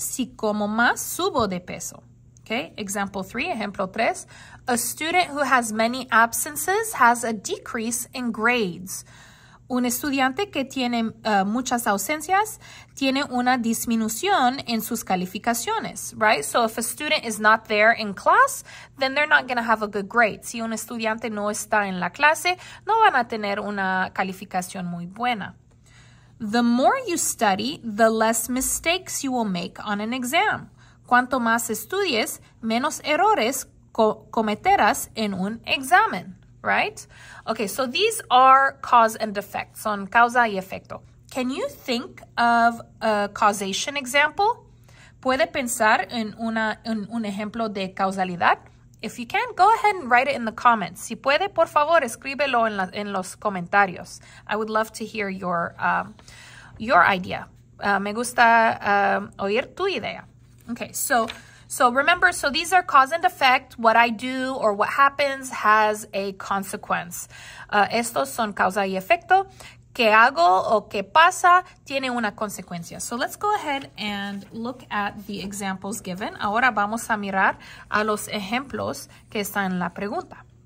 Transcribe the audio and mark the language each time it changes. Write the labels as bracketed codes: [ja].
[es] Si como más, subo de peso. [en] Okay, example 3, [es] ejemplo 3. [en] A student who has many absences has a decrease in grades. [es] Un estudiante que tiene muchas ausencias tiene una disminución en sus calificaciones, [en] right? So if a student is not there in class, then they're not going to have a good grade. [es] Si un estudiante no está en la clase, no van a tener una calificación muy buena. [en] The more you study, the less mistakes you will make on an exam. [es] Cuanto más estudies, menos errores cometerás en un examen, [en] right? Okay, so these are cause and effect, [es] son causa y efecto. [en] Can you think of a causation example? [es] ¿Puede pensar en un ejemplo de causalidad? [en] If you can, go ahead and write it in the comments. [es] Si puede, por favor, escríbelo en los comentarios. [en] I would love to hear your idea. [es] Me gusta oír tu idea. [en] Okay, so remember, so these are cause and effect. What I do or what happens has a consequence. [es] Estos son causa y efecto. ¿Qué hago o qué pasa tiene una consecuencia? [en] So let's go ahead and look at the examples given. [es] Ahora vamos a mirar a los ejemplos que están en la pregunta.